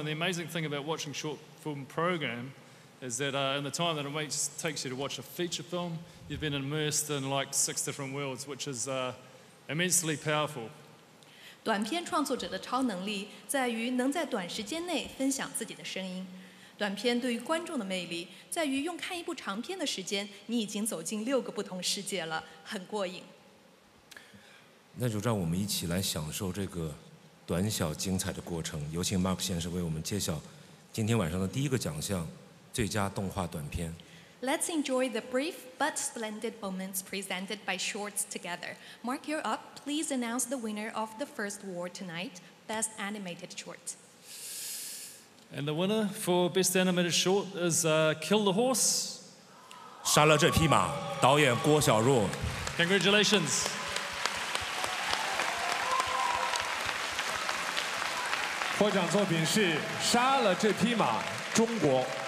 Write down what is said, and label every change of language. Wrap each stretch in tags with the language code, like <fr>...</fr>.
<en>And the amazing thing about watching short film program is that in the time that it takes you to watch a feature film, you've been immersed in like 6 different worlds, which is immensely powerful.</en> <zh>短片创作者的超能力在于能在短时间内分享自己的声音。短片对于观众的魅力在于用看一部长片的时间，你已经走进6个不同世界了，很过瘾。那就让我们一起来享受这个短小精彩的过程。有请 Mark 先生为我们揭晓今天晚上的第一个奖项，最佳动画短片。</zh> <en>Let's enjoy the brief but splendid moments presented by shorts together. Mark, you're up. Please announce the winner of the first award tonight, Best Animated Short. And the winner for Best Animated Short is Kill the Horse.</en> <zh>杀了这匹马，导演郭晓若。</zh> <en>Congratulations.</en> <zh>The 获奖作品是《杀了这匹马》，中国。</zh>